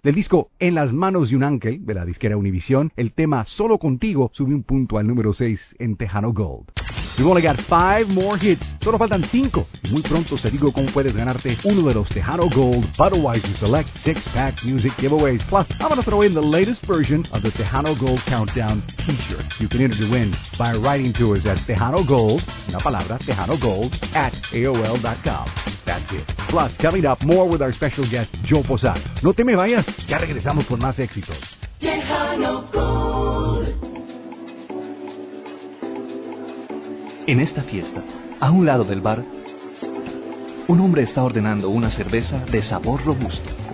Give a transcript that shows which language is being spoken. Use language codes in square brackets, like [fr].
[es] Del disco En las manos de un ángel, de la disquera Univision, el tema Solo contigo sube un punto al número 6 en Tejano Gold. [en] We've only got 5 more hits. [es] Solo faltan 5. Muy pronto te digo cómo puedes ganarte uno de los Tejano Gold Budweiser Select 6-Pack Music Giveaways. [en] Plus, I'm going to throw in the latest version of the Tejano Gold Countdown T-shirt. You can enter to win by writing to us at Tejano Gold, [es] una palabra, [en] Tejano Gold, @AOL.com. That's it. Plus, coming up, more with our special guest, Joe Posada. [es] No te me vayas, ya regresamos con más éxitos. [en] Tejano Gold. [es] En esta fiesta, a un lado del bar, un hombre está ordenando una cerveza de sabor robusto.